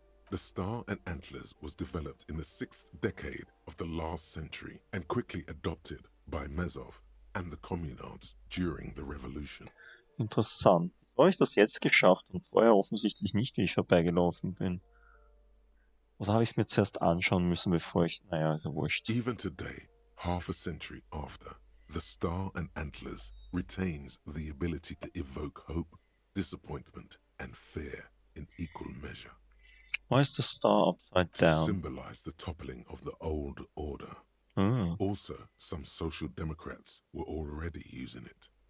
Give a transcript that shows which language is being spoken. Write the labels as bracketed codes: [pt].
[en] The star and antlers was developed in the sixth decade of the last century and quickly adopted by Mezov and the communards during the revolution. [de] Interessant. Habe ich das jetzt geschafft und vorher offensichtlich nicht, wie ich vorbeigelaufen bin? Oder habe ich es mir zuerst anschauen müssen, bevor ich, naja, wurscht. [en] Even today, half a century after, the star and antlers retains the ability to evoke hope, disappointment and fear in equal measure. Why is the star upside down? To symbolize the toppling of the old order. Also, some social democrats were already using it.